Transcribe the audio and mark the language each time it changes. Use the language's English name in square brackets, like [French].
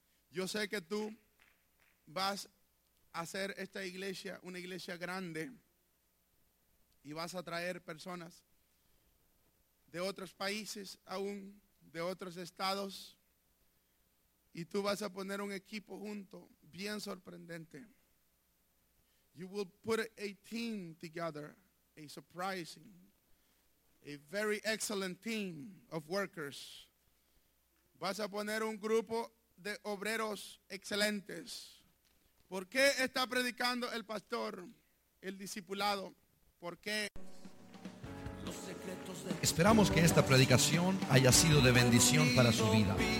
[Spanish] Yo sé que tú vas a hacer esta iglesia una iglesia grande. Y vas a traer personas de otros países aún, de otros estados, y tú vas a poner un equipo junto, bien sorprendente. [English] You will put a team together, a surprising, a very excellent team of workers. [Spanish] Vas a poner un grupo de obreros excelentes. ¿Por qué está predicando el pastor, el discipulado? ¿Por qué? Esperamos que esta predicación haya sido de bendición para su vida.